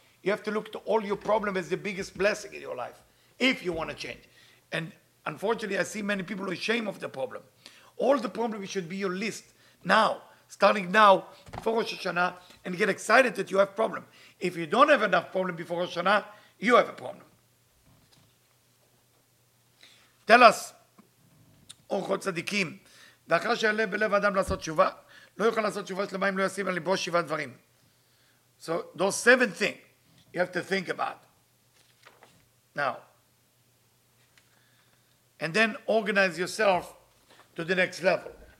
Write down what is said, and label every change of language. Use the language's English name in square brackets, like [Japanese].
[English] You have to look to all your problems as the biggest blessing in your life, if you want to change. And unfortunately, I see many people ashamed of the problem. All the problems should be your list now. Starting now for Rosh Hashanah and get excited that you have a problem. If you don't have enough problem before Rosh Hashanah, you have a problem. Tell us, [Hebrew] Orchot Tzadikim, ואחר שיעלה בלב האדם לעשות תשובה, לא יוכל לעשות תשובה שלמה אם לא ישים על ליבו שבעה דברים. [English] So those seven things you have to think about. Now. And then organize yourself to the next level.